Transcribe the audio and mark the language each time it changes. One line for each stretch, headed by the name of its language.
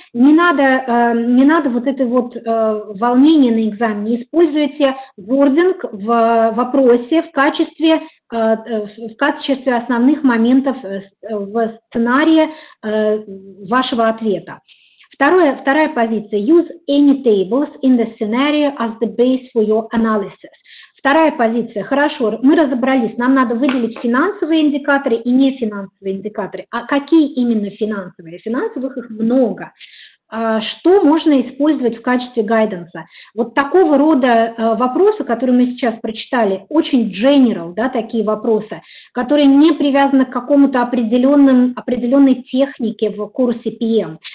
Russian: Не надо вот это вот волнение на экзамене. Используйте wording в вопросе в качестве основных моментов в сценарии вашего ответа. Вторая позиция.
English: Use any tables in the scenario as the base for your analysis.
Russian: Вторая позиция. Хорошо, мы разобрались, нам надо выделить финансовые индикаторы и нефинансовые индикаторы. А какие именно финансовые? Финансовых их много. Что можно использовать в качестве гайденса? Вот такого рода вопросы, которые мы сейчас прочитали, очень general, да, такие вопросы, которые не привязаны к какому-то определенной технике в курсе PM.